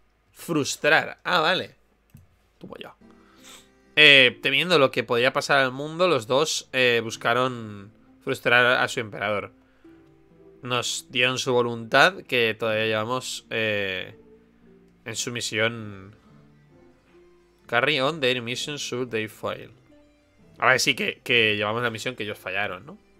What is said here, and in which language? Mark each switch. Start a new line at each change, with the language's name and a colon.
Spanish: Frustrar. Ah, vale. Tuvo ya. Temiendo lo que podía pasar al mundo, los dos buscaron frustrar a su emperador. Nos dieron su voluntad, que todavía llevamos en su misión.
English: Carry on their mission should they fail.
Spanish: A ver, sí que llevamos la misión que ellos fallaron, ¿no?